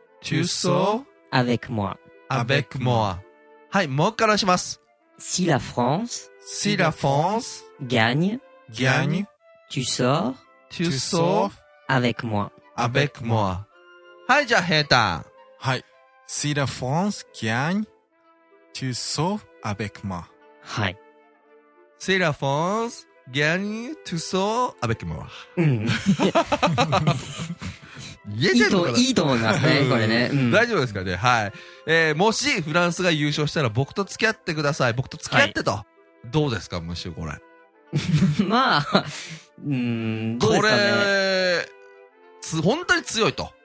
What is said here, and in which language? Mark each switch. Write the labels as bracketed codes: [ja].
[fr] tu sors, avec moi, avec moi. [ja] はい、もう一回話します。 [fr] si la France, si la France, gagne, gagne, tu sors, tu sors, avec moi, avec moi. [ja] はい、じゃあ、平田。はい。 [fr] si la France gagne, tu sors avec moi. [ja] はい。 [fr] si la France gagne, tu sors avec moi. [ja] うん。いいと思いますね、これね、うん。大丈夫ですかね、はい。もしフランスが優勝したら僕と付き合ってください。僕と付き合ってと。はい、どうですか、むしろこれ。まあ、どうですかね。これ、本当に強いと。